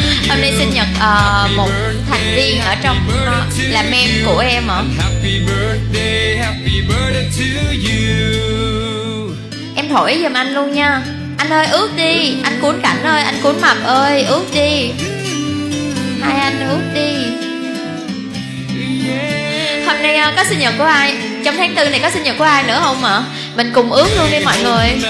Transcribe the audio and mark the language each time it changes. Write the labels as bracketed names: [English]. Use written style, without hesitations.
[Vietnamese] Hôm nay sinh nhật một thành viên ở trong là mem của em ạ. [English] Happy birthday, happy birthday to you. [Vietnamese] Em thổi giùm anh luôn nha. Anh ơi ước đi, anh Cuốn Cảnh ơi, anh Cuốn Mập ơi, ước đi. Hai anh ước đi. Hôm nay có sinh nhật của ai? Trong tháng 4 này có sinh nhật của ai nữa không ạ? Mình cùng ước luôn đi mọi người.